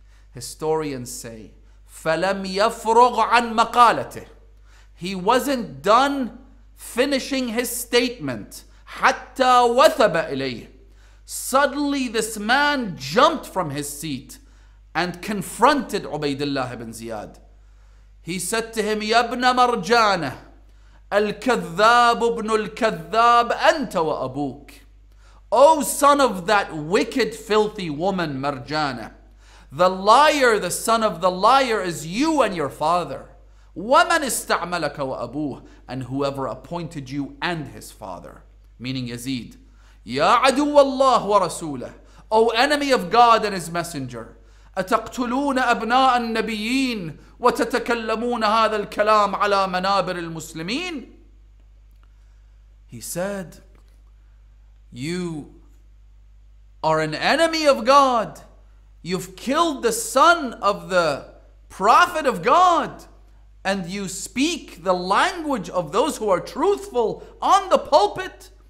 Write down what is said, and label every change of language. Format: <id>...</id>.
<en>Historians say,</en> <ar>فَلَمْ يَفْرُغْ عَنْ مَقَالَتِهِ,</ar> <en>he wasn't done finishing his statement.</en> <ar>حَتَّى وَثَبَ إِلَيْهِ,</ar> <en>suddenly this man jumped from his seat and confronted Ubaydullah ibn Ziyad. He said to him,</en> <ar>يَبْنَ مَرْجَانَهِ الكذاب ابن الكذاب أنت وأبوك.</ar> <en>O son of that wicked, filthy woman, Marjana, the liar, the son of the liar, is you and your father.</en> <ar>ومن استعملك وأبوه,</ar> <en>and whoever appointed you and his father, meaning Yazid.</en> <ar>يا عدو الله ورسوله,</ar> <en>O enemy of God and his messenger,</en> <ar>أتقتلون أبناء النبيين وتتكلمون هذا الكلام على منابر المسلمين.</ar> <en>He said, you are an enemy of God. You've killed the son of the prophet of God, and you speak the language of those who are truthful on the pulpit.</en>